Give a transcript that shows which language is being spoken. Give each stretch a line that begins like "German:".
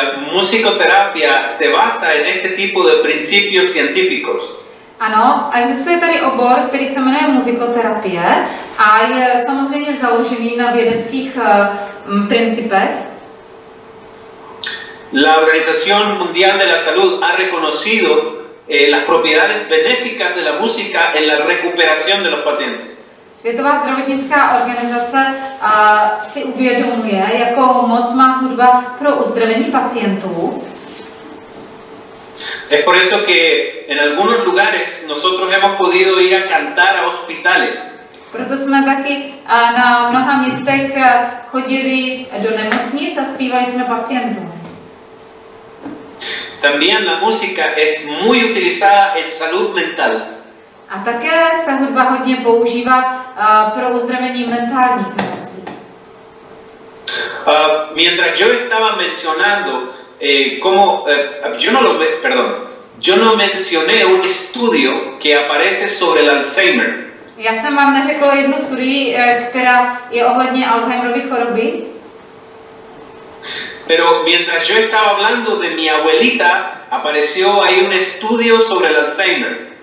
Spanish: Musicoterapia se basa en este tipo de principios científicos.
Czech: Ano, existuje tady obor, který se jmenuje muzikoterapie a je samozřejmě založený na vědeckých principech.
Spanish: La Organización Mundial de la Salud ha reconocido las propiedades benéficas de la música en la recuperación de los pacientes.
Czech: Světová zdravotnická organizace si uvědomuje, jakou moc má hudba pro uzdravení pacientů.
Spanish: Es por eso que en algunos lugares nosotros hemos podido ir a cantar a hospitales.
Czech: Proto jsme taky na mnoha místech chodili do nemocnic a zpívali jsme pacientům.
Spanish: También la música es muy utilizada en salud mental.
Czech: A také se hudba hodně používá pro uzdravení mentálních nemocí.
Spanish: Mientras yo estaba mencionando como yo no mencioné un estudio que aparece sobre el Alzheimer.
Czech: Já jsem vám neřekl jednu studii, která je ohledně Alzheimerovy choroby.
Spanish: Pero mientras yo estaba hablando de mi abuelita, apareció ahí un estudio sobre el Alzheimer.